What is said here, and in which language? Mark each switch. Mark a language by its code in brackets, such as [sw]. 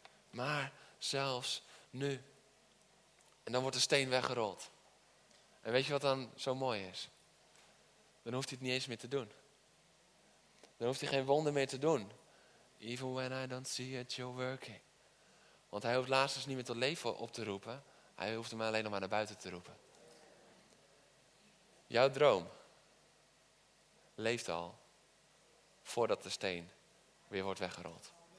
[nl] Maar zelfs nu. En dan wordt de steen weggerold. En weet je wat dan zo mooi is? Dan hoeft hij het niet eens meer te doen. Dan hoeft hij geen wonder meer te doen. [en] Even when I don't see it, you're working. [nl] Want hij hoeft Lazarus niet meer tot leven op te roepen. Hij hoeft hem alleen nog maar naar buiten te roepen. Jouw droom leeft al voordat de steen weer wordt weggerold.